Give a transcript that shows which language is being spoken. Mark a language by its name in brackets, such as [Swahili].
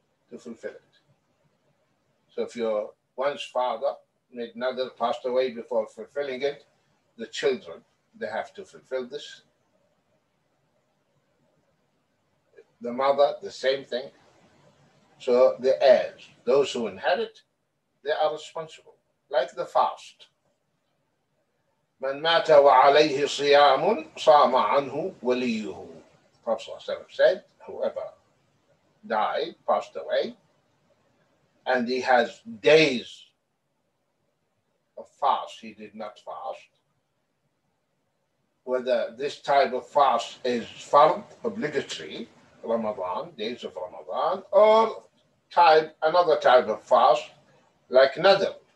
[English] To fulfill it. So if your once father made nadr, passed away before fulfilling it, the children, they have to fulfill this. The mother, the same thing. So the heirs, those who inherit, they are responsible. Like the fast. [Arabic] من مات وعليه صيام صام عنه وليه. [English] Prophet ﷺ said, whoever died, passed away, and he has days of fast, he did not fast. Whether this type of fast is fard, obligatory, Ramadan, days of Ramadan, or type another type of fast, like nadr.